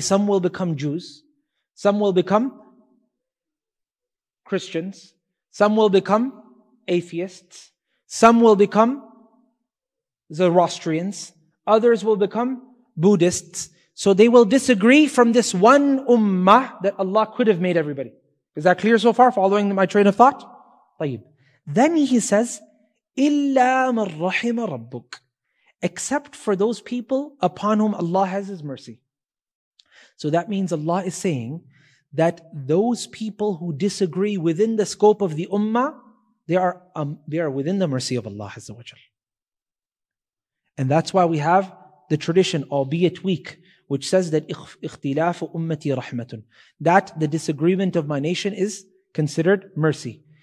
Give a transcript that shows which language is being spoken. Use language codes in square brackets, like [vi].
[en] some will become Jews. Some will become Christians. Some will become atheists. Some will become Zoroastrians. Others will become Buddhists. So they will disagree from this one ummah that Allah could have made everybody. Is that clear so far, following my train of thought? [ar] طيب. [en] Then he says, [ar] إِلَّا مَنْ رَحِمَ رَبُّكَ. [en] Except for those people upon whom Allah has His mercy. So that means Allah is saying that those people who disagree within the scope of the ummah, they are within the mercy of Allah Azza wa Jal. And that's why we have the tradition, albeit weak, which says that [ar] اختلاف أمتي رحمة, [en] that the disagreement of my nation is considered mercy.